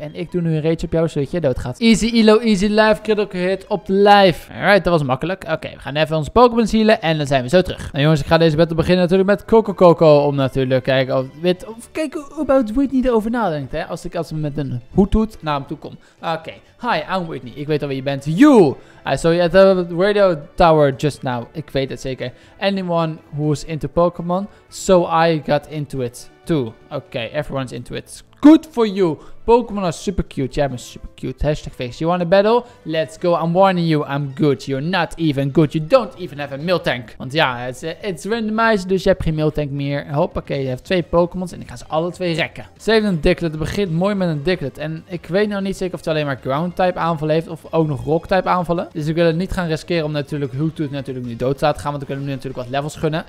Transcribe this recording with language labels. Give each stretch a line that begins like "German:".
Dutch: En ik doe nu een rage op jou, zodat je doodgaat.
English: Easy Elo, easy life.
Dutch: Critical hit op de lijf. Alright, dat was makkelijk. Oké, we gaan even onze Pokémon healen. En dan zijn we zo terug. Nou jongens, ik ga deze battle beginnen natuurlijk met Coco Coco. Om natuurlijk kijken of dit. Of kijken hoe je het niet over nadenkt. Hè? Als ik als met een Hoothoot naar hem toe kom. Oké.
English: Hi, I'm Whitney.
Dutch: Ik weet al wie je bent.
English: You! I saw you at the radio tower just now.
Dutch: Ik weet het zeker.
English: Anyone who's into Pokémon. So I got into it too. Oké, everyone's into it. Good for you. Pokémon are super cute.
Dutch: Jij bent super cute.
English: Hashtag face. You want a battle? Let's go. I'm warning you. I'm good. You're not even good. You don't even have a Miltank.
Dutch: Want ja,
English: it's randomized.
Dutch: Dus je hebt geen Miltank meer. Hoppakee. Je hebt 2 Pokémon's. En ik ga ze alle 2 rekken. Ze heeft een Diglett. Het begint mooi met een Diglett. En ik weet nou niet zeker of het alleen maar Ground-type aanval heeft. Of ook nog Rock-type aanvallen. Dus ik wil het niet gaan riskeren om natuurlijk Hoothoot natuurlijk nu dood te laten gaan. Want we kunnen hem nu natuurlijk wat levels gunnen.